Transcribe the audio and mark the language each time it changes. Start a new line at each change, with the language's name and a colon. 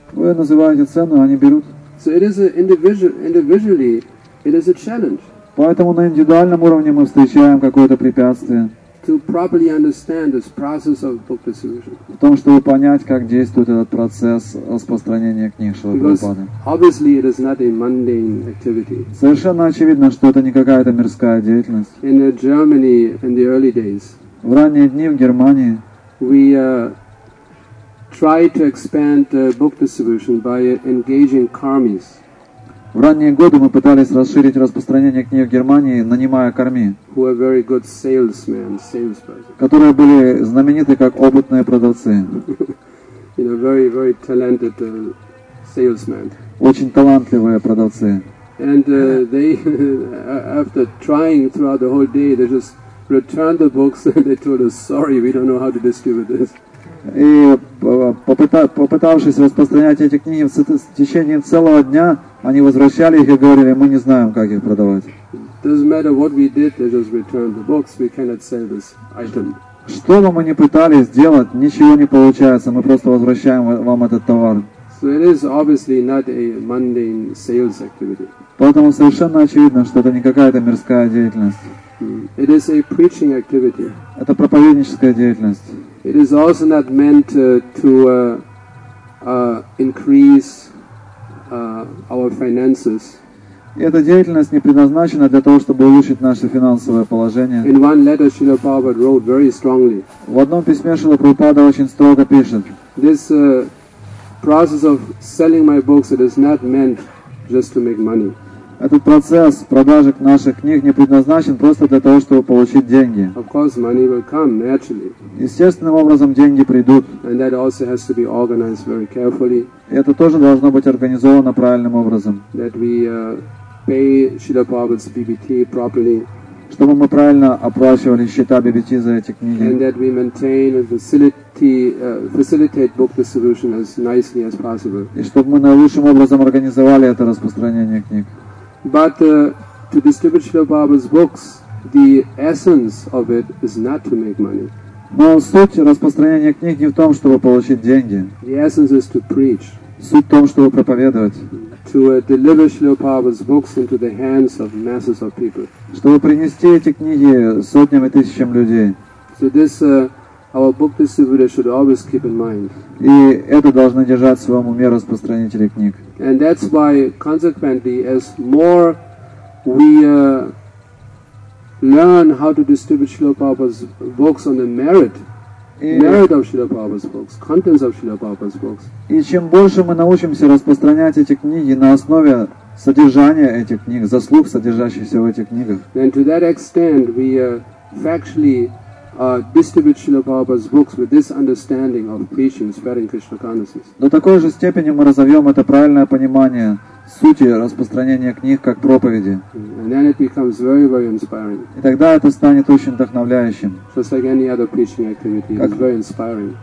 Russian: Вы называете цену, они берут.
English: So it is individually, it is a challenge.
Russian: Поэтому на индивидуальном уровне мы встречаем какое-то препятствие.
English: To properly understand this process of book distribution.
Russian: В том, чтобы понять, как действует этот процесс распространения книг Шрилы Прабхупады.
English: Obviously, it is not a mundane activity.
Russian: Совершенно очевидно, что это не какая-то мирская деятельность.
English: In Germany, in the early days.
Russian: В ранние дни в Германии.
English: We tried to expand book distribution by engaging karmis.
Russian: В ранние годы мы пытались расширить распространение книг в Германии, нанимая карми, которые были знамениты как опытные продавцы.
English: You know, very talented salesmen.
Russian: Очень талантливые продавцы.
English: And they, after trying throughout the whole day, they just returned the books and they told us, sorry, we don't know how to distribute this.
Russian: И попытавшись распространять эти книги в течение целого дня, они возвращали их и говорили, мы не знаем, как их продавать. Что бы мы ни пытались сделать, ничего не получается, мы просто возвращаем вам этот товар.
English: So it is obviously not a mundane sales activity.
Russian: Поэтому совершенно очевидно, что это не какая-то мирская деятельность.
English: It is a preaching activity.
Russian: Это проповедническая деятельность.
English: It is also not meant to increase our finances.
Russian: Эта деятельность не предназначена для того, чтобы улучшить наше финансовое положение.
English: In one letter, Srila Prabhupada wrote very strongly.
Russian: В одном письме Шрила Прабхупада очень строго пишет.
English: This process of selling my books, it is not meant just to make money.
Russian: Этот процесс продажи наших книг не предназначен просто для того, чтобы получить деньги.
English: Of course, money will come naturally.
Russian: Естественным образом деньги придут.
English: And that also has to be organized very carefully.
Russian: И это тоже должно быть организовано правильным образом.
English: That we pay Srila Prabhupada's BBT properly.
Russian: Чтобы мы правильно оплачивали счета BBT за эти книги.
English: And that we maintain and facilitate book distribution as nicely as possible.
Russian: И чтобы мы наилучшим образом организовали это распространение книг.
English: But to distribute Srila Prabhupada's books, the essence of it is not to make money.
Russian: Но суть распространения книг не в том, чтобы получить деньги.
English: The essence is to preach.
Russian: Суть в том, чтобы проповедовать.
English: To deliver Srila Prabhupada's books into the hands of masses of people.
Russian: Чтобы принести эти книги сотням и тысячам людей.
English: So this our book distributor should always keep in mind.
Russian: И это должны держать в своем уме распространители книг.
English: And that's why, consequently, as more we learn how to distribute Srila Prabhupada's books on the merit of Srila Prabhupada's books, contents of Srila Prabhupada's books.
Russian: И чем больше мы научимся распространять эти книги на основе содержания этих книг, заслуг, содержащихся в этих книгах.
English: Then to that extent, we factually distribute Srila Prabhupada's books with this understanding of preaching, spreading Krishna consciousness.
Russian: До такой же степени мы разовьем это правильное понимание сути распространения книг как проповеди.
English: And then it becomes very, very inspiring.
Russian: И тогда это станет очень вдохновляющим.
English: Just like any other preaching activity, it's very inspiring.